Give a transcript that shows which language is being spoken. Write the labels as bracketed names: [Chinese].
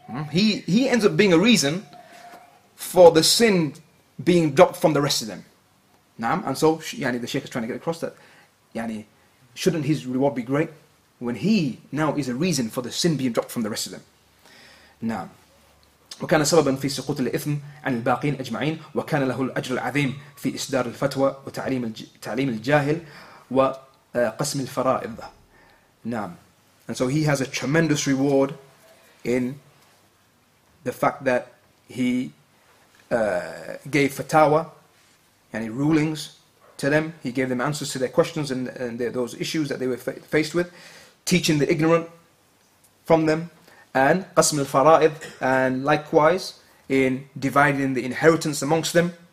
[English] He ends up being a reason for the sin being dropped from the rest of them. Naam. And so yani, the Shaykh is trying to get across that yani, shouldn't his reward be great when he now is a reason for the sin being dropped from the rest of them. Naam. [Arabic] وكان سببا في سقوط الإثم عن الباقين أجمعين وكان له الأجر العظيم في إصدار الفتوى وتعليم الجاهل وقسم الفرائض. Naam. [English] And so he has a tremendous reward in the fact that he gave fatawa, any rulings to them. He gave them answers to their questions and those issues that they were faced with, teaching the ignorant from them, and qasm al-fara'id, and likewise in dividing the inheritance amongst them.